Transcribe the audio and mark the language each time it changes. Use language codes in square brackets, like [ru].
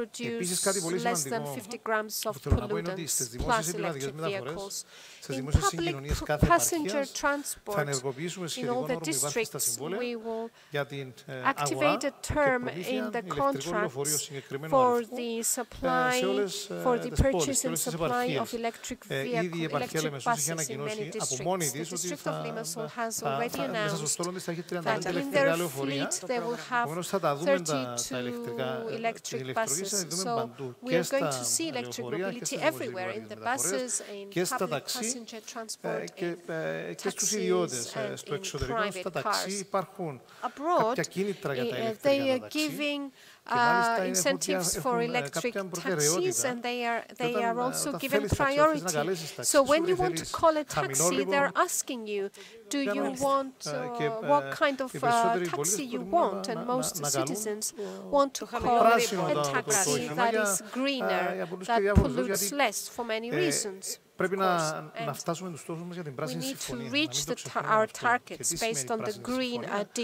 [el] Επίσης, κάτι πολύ σημαντικό που θέλω να πω είναι ότι στις δημόσιες επιβατικές μεταφορές, στις δημόσιες συγκοινωνίες κάθε επαρχίας, θα ενεργοποιήσουμε σχετικό νόμο που υπάρχει στα συμβόλαια για την αγορά και προμήθεια ηλεκτρικό λεωφορείο συγκεκριμένου αριθμού σε όλες τις επαρχίες. Ήδη η επαρχία Λεμεσούς έχει ανακοινώσει από μόνη της ότι [en] The district of Limassol has already announced that in their fleet they will have 32 electric buses. So we are going to see electric mobility everywhere, in the buses, in public passenger transport, in taxis, and in private cars. Abroad, they are giving incentives for electric taxis, and they are also given priority. So when you want to call a taxi, they're asking you, do you want what kind of taxi you want? And most citizens want to call a taxi that is greener, that pollutes less, for many reasons. [el] Πρέπει να φτάσουμε τους στόχους μας για την πράσινη συμφωνία. Και τι σημαίνει η πράσινη συμφωνία.